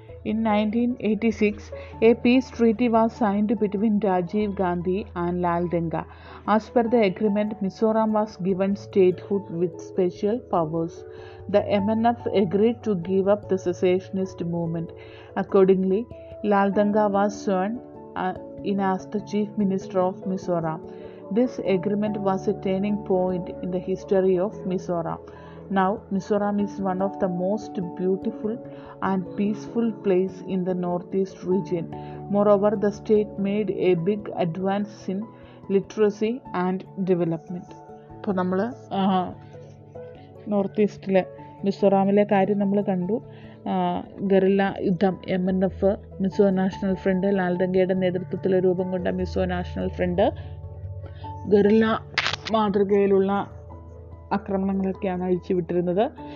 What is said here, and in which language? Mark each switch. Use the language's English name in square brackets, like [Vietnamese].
[English] In 1986 a peace treaty was signed between Rajiv Gandhi and Lal Denga. As per the agreement Mizoram was given statehood with special powers. The M N F agreed to give up the secessionist movement. Accordingly Lal Denga was sworn in as the chief minister of Mizoram. This agreement was a turning point in the history of Mizoram. Now, Mizoram is one of the most beautiful and peaceful place in the Northeast region. Moreover, the state made a big advance in literacy and development. [Malayalam] ഇപ്പോൾ നമ്മൾ north ഈസ്റ്റിലെ മിസോറാമിലെ കാര്യം നമ്മൾ കണ്ടു. Guerrilla യുദ്ധം, M N F, Mizo national front, Lal ദംഗയുടെ നേതൃത്വത്തിൽ രൂപം കൊണ്ട Mizo national front, guerrilla മാതൃകയിലുള്ള ആക്രമണങ്ങളൊക്കെയാണ് അഴിച്ചുവിട്ടിരുന്നത്.